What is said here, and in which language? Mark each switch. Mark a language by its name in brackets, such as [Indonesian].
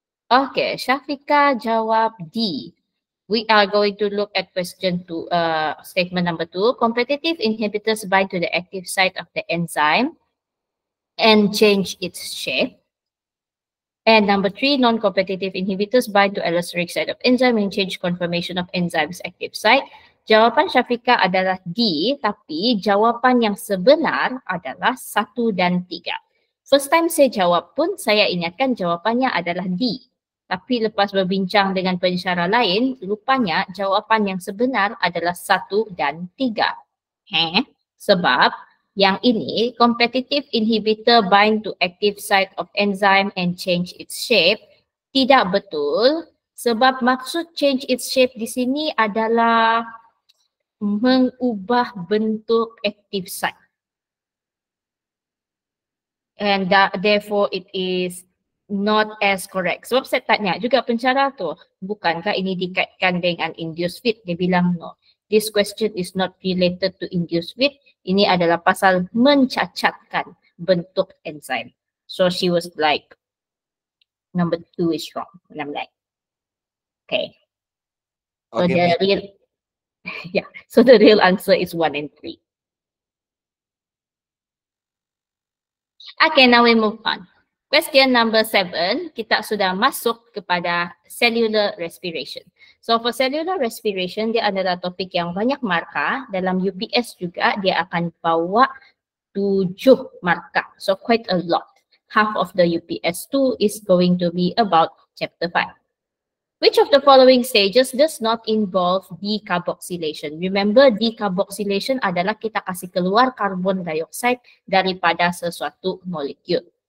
[English] Okay, Shafika jawab D. We are going to look at question 2, statement number 2. Competitive inhibitors bind to the active site of the enzyme and change its shape. And number 3, non-competitive inhibitors bind to allosteric site of enzyme and change conformation of enzyme's active site. [Malay] Jawapan Shafika adalah D, tapi jawapan yang sebenar adalah 1 dan 3. First time saya jawab pun, saya ingatkan jawapannya adalah D. Tapi lepas berbincang dengan pensyarah lain, rupanya jawapan yang sebenar adalah 1 dan 3. Sebab yang ini, [English] competitive inhibitor bind to active site of enzyme and change its shape, [Malay] tidak betul sebab maksud change its shape di sini adalah mengubah bentuk active site. [English] And that, therefore it is not as correct. [Malay] Sebab saya tanya juga pencara tu, bukankah ini dikaitkan dengan induced feed? Dia bilang [English] no. This question is not related to induced feed. [Malay] Ini adalah pasal mencacatkan bentuk enzyme. [English] So she was like, number 2 is wrong. And I'm like, okay. So okay, the maybe. Real, yeah. So the real answer is 1 and 3. Okay, now we move on. Question number 7, [Malay] kita sudah masuk kepada cellular respiration. [English] So for cellular respiration, [Malay] dia adalah topik yang banyak markah. Dalam UPS juga, dia akan bawa 7 markah. [English] So quite a lot. Half of the UPS 2 is going to be about chapter 5. Which of the following stages does not involve decarboxylation? [Malay] Remember, decarboxylation adalah kita kasih keluar carbon dioxide daripada sesuatu molekul.